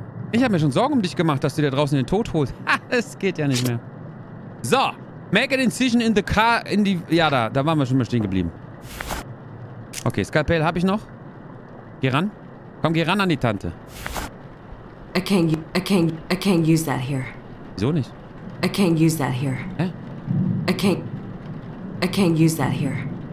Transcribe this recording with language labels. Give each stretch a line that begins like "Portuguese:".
German: Ich habe mir schon Sorgen um dich gemacht, dass du dir draußen den Tod holst. Ha, es geht ja nicht mehr.
English: So, make an incision in the car,
German: in die... Ja, da waren wir schon mal stehen geblieben. Okay, Skalpell habe ich noch. Geh ran. Komm, geh ran an die Tante.
English: I can't use that here.
German: Wieso nicht?
English: I can't use that here. Hä? I can't use that here.